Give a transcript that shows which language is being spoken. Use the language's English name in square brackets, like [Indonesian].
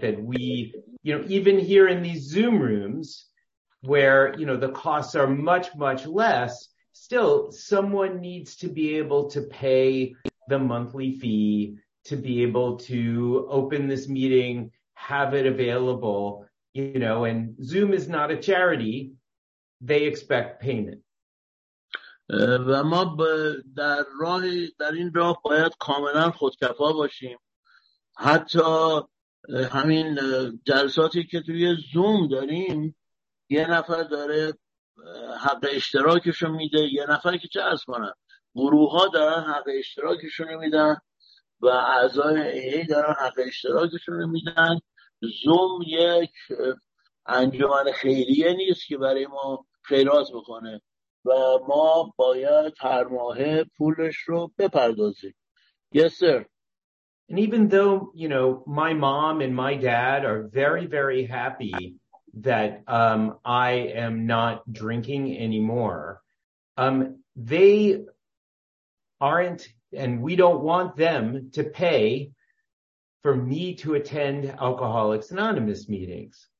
[English] That we, you know, even here in these Zoom rooms where, you know, the costs are much, much less, still someone needs to be able to pay the monthly fee to be able to open this meeting, have it available. You know, and Zoom is not a charity. They expect payment. [Persian] و ما در راه، در این راه باید کاملا خودکفا باشیم. حتی همین جلساتی که توی زوم داریم، یه نفر داره حق اشتراکشو میده، یه نفر که چه از کنن، گروه ها دارن حق اشتراکشونو میدن و اعضای AA دارن حق اشتراکشونو میدن. زوم یک انجمن خیریه نیست که برای ما خیرات بکنه و ما باید هر ماه پولش رو بپردازیم. [English] Yes, sir. And even though, you know, my mom and my dad are very, very happy that I am not drinking anymore, they aren't, and we don't want them to pay for me to attend Alcoholics Anonymous meetings.